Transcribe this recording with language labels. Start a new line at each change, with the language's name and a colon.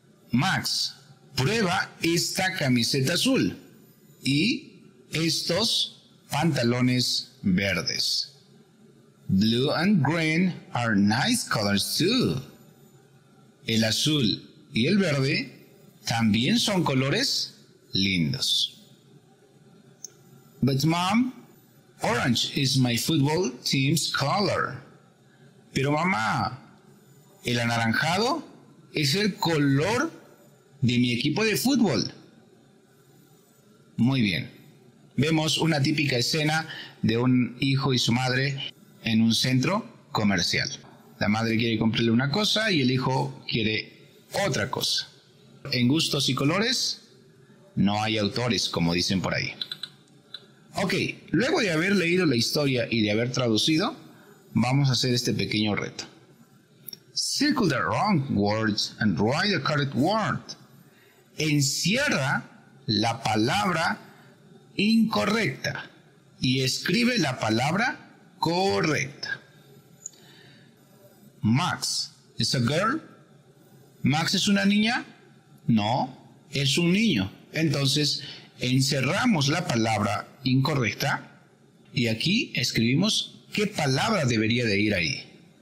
Spanish: Max, prueba esta camiseta azul y estos pantalones verdes.
English: Blue and green are nice colors too.
Spanish: El azul y el verde también son colores lindos.
English: But Mom, orange is my football team's color.
Spanish: Pero mamá, el anaranjado es el color de mi equipo de fútbol. Muy bien. Vemos una típica escena de un hijo y su madre en un centro comercial. La madre quiere comprarle una cosa y el hijo quiere otra cosa. En gustos y colores, no hay autores, como dicen por ahí. Ok, luego de haber leído la historia y de haber traducido, vamos a hacer este pequeño reto.
English: Circle the wrong words and write the correct word.
Spanish: Encierra la palabra incorrecta y escribe la palabra correcta.
English: Max is a girl.
Spanish: ¿Max es una niña? No, es un niño. Entonces, encerramos la palabra incorrecta y aquí escribimos qué palabra debería de ir ahí.